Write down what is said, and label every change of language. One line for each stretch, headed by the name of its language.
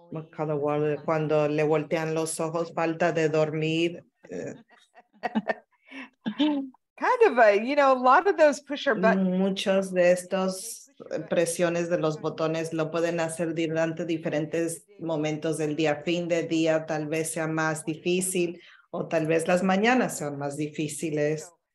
Spanish: cada vez cuando le voltean los ojos, falta de dormir.
English: Kind of a, you know, a lot of those pusher buttons.
Spanish: Muchos de estos presiones de los botones lo pueden hacer durante diferentes momentos del día. Fin de día tal vez sea más difícil, o tal vez las mañanas sean más difíciles.